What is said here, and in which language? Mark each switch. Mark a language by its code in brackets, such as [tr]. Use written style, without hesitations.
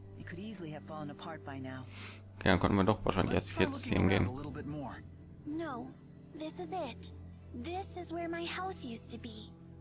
[en] It could easily have fallen apart by now. [de] Okay, dann konnten wir doch wahrscheinlich erst jetzt hingehen. [en] No, this is it. This is where my house used to be.